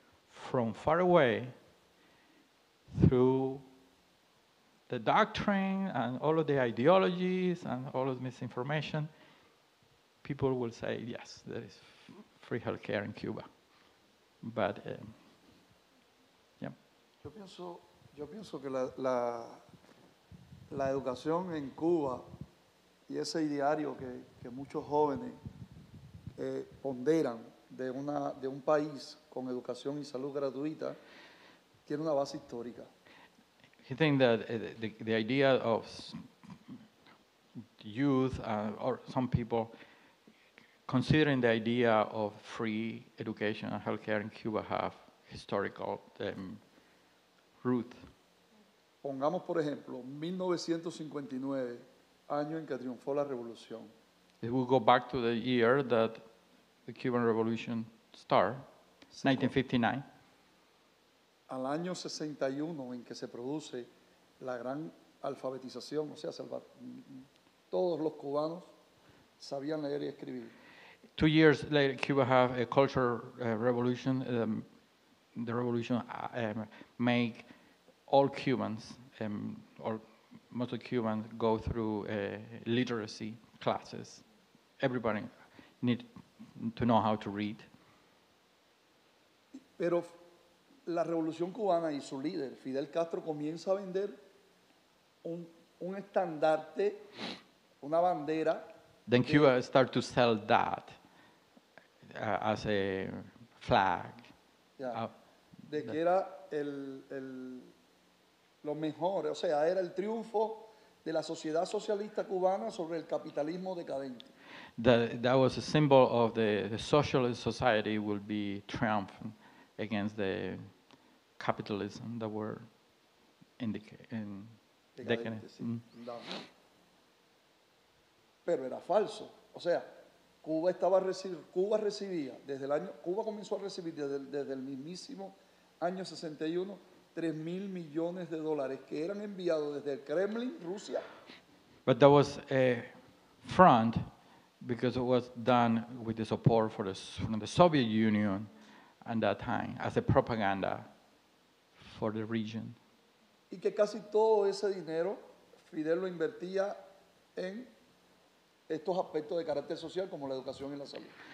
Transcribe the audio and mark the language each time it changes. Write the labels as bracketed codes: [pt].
[en] From far away, through the doctrine and all of the ideologies and all of the misinformation, people will say, yes, there is free health care in Cuba. But, yeah. [es] Yo pienso que la educación en Cuba y ese ideario que muchos jóvenes ponderan de un país con educación y salud gratuita tiene una base histórica. [en] He thinks that the idea of youth or some people considering the idea of free education and healthcare in Cuba have historical roots. [es] Pongamos por ejemplo 1959, año en que triunfó la revolución. [en] If we go back to the year that the Cuban Revolution started, 1959. [es] Al año 61 en que se produce la gran alfabetización, o sea, salvar todos los cubanos sabían leer y escribir. [en] 2 years later, Cuba have a cultural revolution. The revolution make all Cubans or most of Cubans go through literacy classes. Everybody need to know how to read. [es] Pero la revolución cubana y su líder Fidel Castro comienza a vender un estandarte, una bandera. [en] Then Cuba start to sell that as a flag. Yeah. [es] De que era el lo mejor, o sea, era el triunfo de la sociedad socialista cubana sobre el capitalismo decadente. [en] That was a symbol of the socialist society will be triumphant against the capitalism that were in decadence. [es] Sí. [en] Mm. [es] Pero era falso. O sea, Cuba recibía desde el año, Cuba comenzó a recibir desde el mismísimo año 61 $3,000 millones que eran enviados desde el Kremlin, Rusia. [en] But that was a front because it was done with the support from the Soviet Union at that time as a propaganda for the region. [es] Y que casi todo ese dinero Fidel lo invertía en estos aspectos de carácter social como la educación y la salud.